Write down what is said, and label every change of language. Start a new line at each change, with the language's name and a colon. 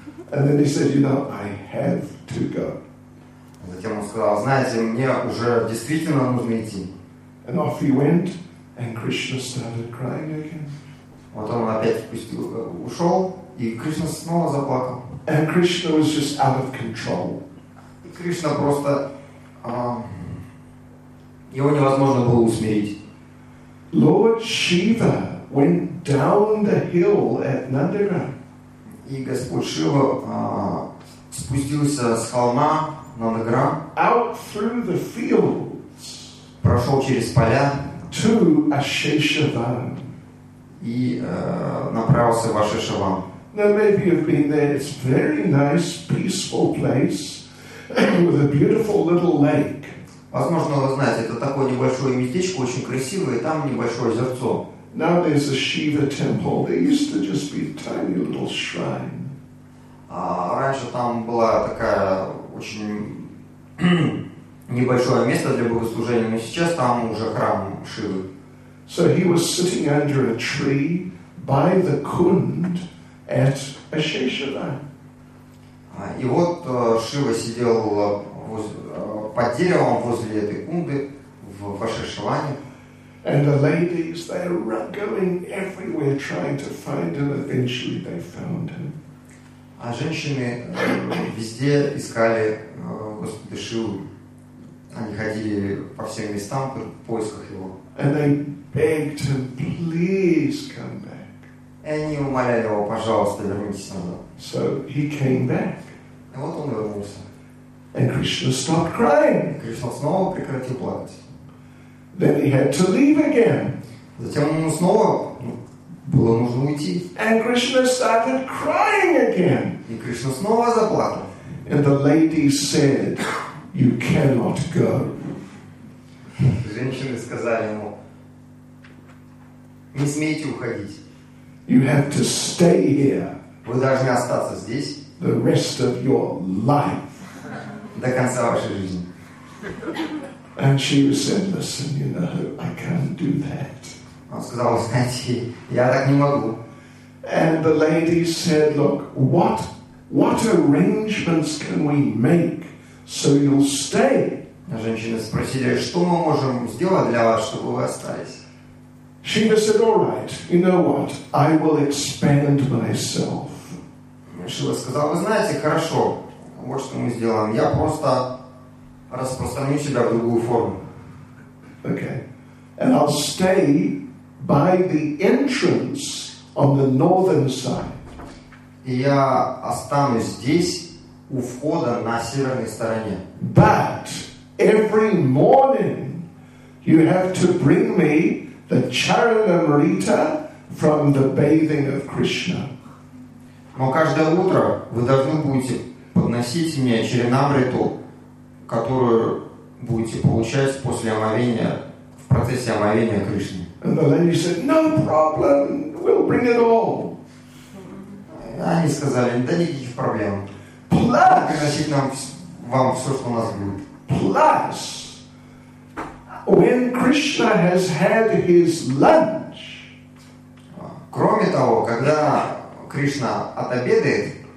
English: And then he said, you know, I have to go.
Russian: Затем он сказал, знаете, мне уже действительно нужно идти.
English: And off he went, and Krishna started crying again.
Russian: Вот он опять ушел, и Кришна снова заплакал.
English: And Krishna was just out of control.
Russian: Кришна просто его невозможно было усмирить.
English: Lord Shiva went down the hill at Nandira.
Russian: И Господь Шива спустился с холма Нандира.
English: Out through the fields.
Russian: Прошел через поля.
English: To Asheshavan.
Russian: И направился в Ашешаван.
English: Now maybe you've been there. It's a very nice, peaceful place with a beautiful little lake.
Russian: Возможно, вы знаете, это такое небольшое местечко, очень красивое, и там небольшое озерцо.
English: Now there's a Shiva temple. There used to just be a tiny little shrine.
Russian: Раньше там была такая очень небольшое место для богослужения, но сейчас там уже храм Шивы.
English: So he was sitting under a tree by the Kund. At Asheshavan.
Russian: И вот Шива сидел под деревом возле этой кунды в Ашешаване.
English: And the ladies, they were going everywhere trying to find him. Eventually, they found him.
Russian: А женщины везде искали Господа Шиву. Они ходили по всем местам в поисках его.
English: And they begged him, please come back.
Russian: И они умоляли его, пожалуйста, вернитесь назад.
English: So he came back.
Russian: И вот он вернулся.
English: And Krishna stopped crying.
Russian: Кришна снова прекратил плакать.
English: Then he had to leave again.
Russian: Затем ему снова было нужно уйти.
English: And Krishna started crying again.
Russian: И Кришна снова заплакал.
English: And the lady said, "You cannot go."
Russian: Женщины сказали ему, не смейте уходить.
English: You have to stay here.
Russian: Вы должны остаться здесь.
English: The rest of your life.
Russian: До конца вашей жизни.
English: And she said, "Listen, you know, I can't do that."
Russian: Он сказал, знаете, я так не могу.
English: And the lady said, "Look, what arrangements can we make so you'll stay?"
Russian: Женщины спросили, что мы можем сделать для вас, чтобы вы остались.
English: Shiva said, all right, you know what? I will expand myself.
Russian: Шива сказал, вы знаете, хорошо, вот что мы сделаем. Я просто распространю себя в другую форму.
English: Okay. And I'll stay by the entrance on the northern side.
Russian: И я останусь здесь, у входа на северной стороне.
English: But every morning you have to bring me the Charanamrita from the bathing of Krishna.
Russian: Но каждое утро вы должны будете подносить мне Чаранамриту, которую будете получать после омовения, в процессе омовения Кришны.
English: And the lady said, no problem, we'll bring it all.
Russian: Они сказали, да никаких проблем.
English: Plus,
Russian: приносить нам, вам все, что у нас будет.
English: Plus, when Krishna has had his lunch,
Russian: кроме того, когда Кришна отобедает,